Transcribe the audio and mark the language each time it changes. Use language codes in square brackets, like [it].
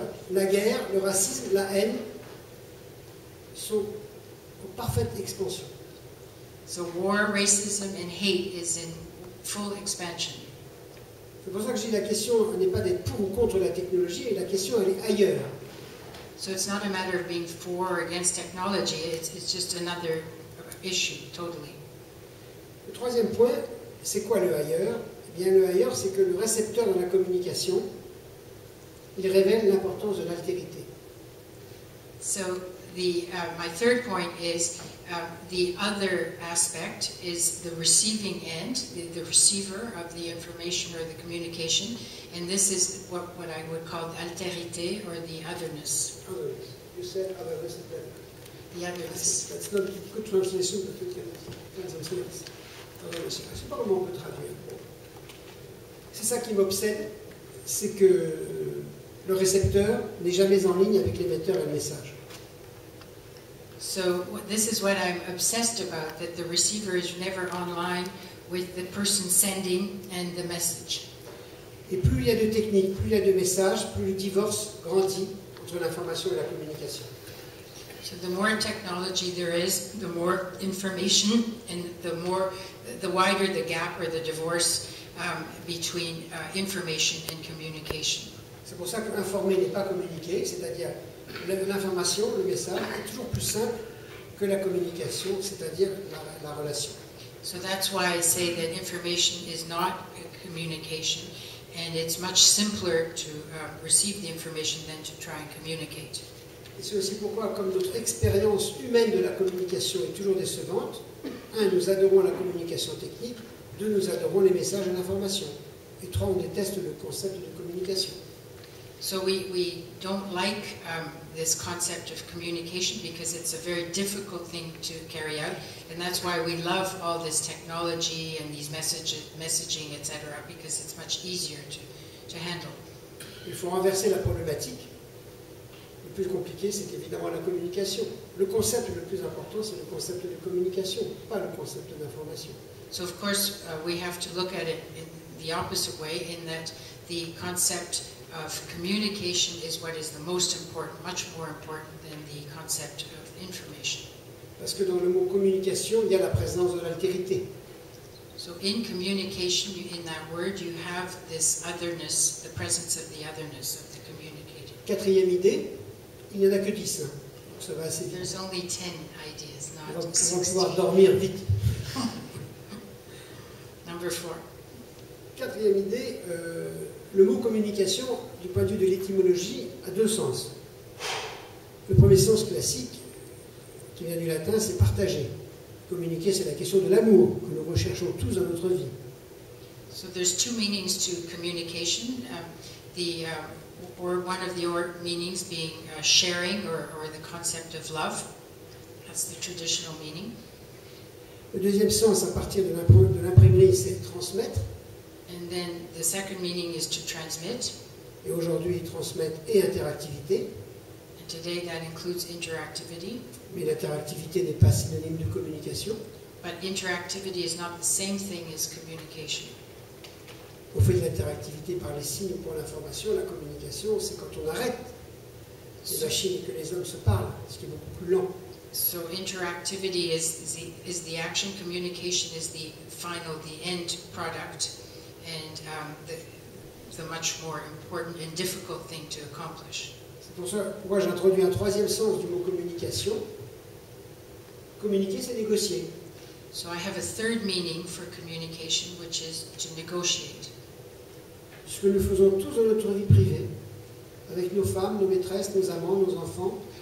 [fr] La guerre, le racisme, la haine sont en parfaite expansion. [en] So war, racism and hate is in full expansion. [fr] C'est pour ça que je dis la question n'est pas d'être pour ou contre la technologie, la question elle est ailleurs. [en] So it's not a matter of being for or against technology, it's just another issue, totally. [fr] Le troisième point, c'est quoi le ailleurs? Eh bien, le ailleurs, c'est que le récepteur de la communication, il révèle l'importance de l'altérité. [en] So, my third point is, the other aspect is the receiving end, the receiver of the information or the communication, and this is what I would call altérité or the otherness. Otherness. You said otherness is better. The otherness. That's not a good translation, but it depends on this. Otherness. [fr] Je ne sais pas comment on peut traduire. C'est ça qui m'obsède, c'est que le récepteur n'est jamais en ligne avec l'émetteur et le message. [en] So this is what I'm obsessed about, that the receiver is never online with the person sending and the message. [fr] Et plus il y a de techniques, plus il y a de messages, plus le divorce grandit entre l'information et la communication. [en] So the more technology there is, the more information and the wider the gap or the divorce between information and communication. [fr] C'est pour ça que informer n'est pas communiquer, c'est-à-dire l'information, le message, est toujours plus simple que la communication, c'est-à-dire la relation. [en] So that's why I say that information is not a communication, and it's much simpler to receive the information than to try and communicate. [fr] Et c'est aussi pourquoi, comme notre expérience humaine de la communication est toujours décevante, un, nous adorons la communication technique, deux, nous adorons les messages et l'information, et trois, on déteste le concept de communication. [en] So we don't like this concept of communication because it's a very difficult thing to carry out, and that's why we love all this technology and these messaging, etc., because it's much easier to handle. [fr] Il faut renverser la problématique. Le plus compliqué, c'est évidemment la communication. Le concept le plus important, c'est le concept de communication, pas le concept d'information. [en] So of course, we have to look at it in the opposite way, in that the concept of communication is what is the most important, much more important than the concept of information. [fr] Parce que dans le mot communication, il y a la présence de l'altérité. [en] So in communication, in that word, you have this otherness, the presence of the otherness of the communicated. [fr] Quatrième idée, il n'y en a que 10. Hein. Donc ça va assez vite. [en] There's only 10 ideas, not [fr] 16. On va pouvoir dormir vite. [en] Number 4. [fr] Quatrième idée, le mot communication, du point de vue de l'étymologie, a deux sens. Le premier sens classique, qui vient du latin, c'est partager. Communiquer, c'est la question de l'amour que nous recherchons tous dans notre vie. [en] So there's two meanings to communication. One of the meanings being sharing or the concept of love. That's the traditional meaning. [fr] Le deuxième sens, à partir de l'imprimerie, c'est transmettre. [en] And then the second meaning is to transmit. [fr] Et aujourd'hui, transmettre et interactivité. [en] And today that includes interactivity. [fr] Mais l'interactivité n'est pas synonyme de communication. [en] But interactivity is not the same thing as communication. [fr] On fait de l'interactivité par les signes pour l'information. La communication, c'est quand on arrête les machines et que les hommes se parlent, ce qui est beaucoup plus lent. [en] So interactivity is the action. Communication is the final, the end product. And the much more important and difficult thing to accomplish. [fr] C'est pour ça pourquoi j'introduis un troisième sens du mot communication. Communiquer, c'est négocier. [en] So I have a third meaning for communication, which is to negotiate. [fr] Ce que nous faisons tous dans notre vie privée, avec nos femmes, nos maîtresses, nos amants, nos enfants.